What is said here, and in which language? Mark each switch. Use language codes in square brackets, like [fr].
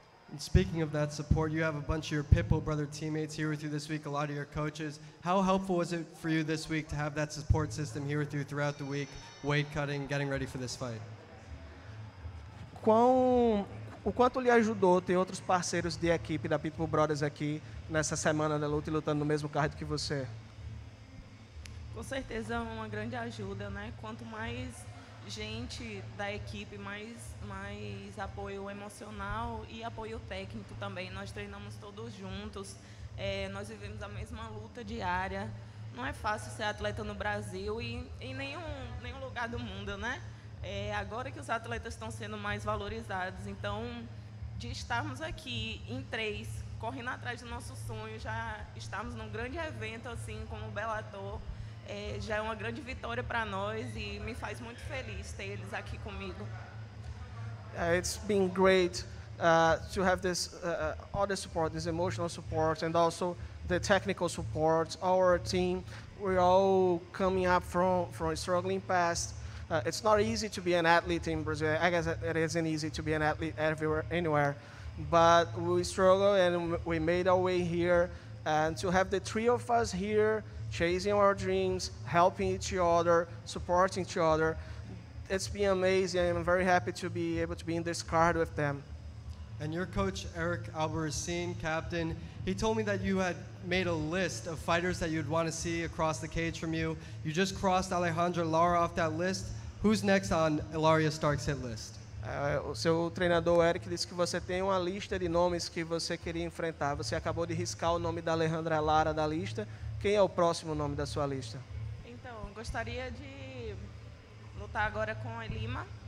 [en] And speaking of that support, you have a bunch of your Pitbull brother teammates here with you this week, a lot of your coaches. How helpful was it for you this week to have that support system here with you throughout the week, weight cutting, getting ready for this fight? [pt] O quanto lhe ajudou ter outros parceiros de equipe da Pitbull Brothers aqui nessa semana da luta e lutando no mesmo card que você? Com certeza é uma grande ajuda, né? Quanto mais gente da equipe, mais apoio emocional e apoio técnico também. Nós treinamos todos juntos, nós vivemos a mesma luta diária. Não é fácil ser atleta no Brasil e em nenhum lugar do mundo, né? É agora que os atletas estão sendo mais valorizados. Então, de estarmos aqui em três, correndo atrás do nosso sonho, já estamos num grande evento assim como o Bellator. Já é uma grande vitória para nós e me faz muito feliz ter eles aqui comigo. [en] It's been great to have this all the support, this emotional support and also the technical support. Our team, we're all coming up from a struggling past. It's not easy to be an athlete in Brazil. I guess it isn't easy to be an athlete everywhere, anywhere. But we struggle and we made our way here. And to have the three of us here chasing our dreams, helping each other, supporting each other, it's been amazing. I'm very happy to be able to be in this card with them. And your coach, Eric Albarracin, captain, he told me that you had made a list of fighters that you'd want to see across the cage from you. You just crossed Alejandra Lara off that list. Who's next on Ilara Stark's hit list? [pt] O seu treinador, Eric, disse que você tem uma lista de nomes que você queria enfrentar. Você acabou de riscar o nome da Alejandra Lara da lista. Quem é o próximo nome da sua lista? Então, gostaria de lutar agora com a Lima.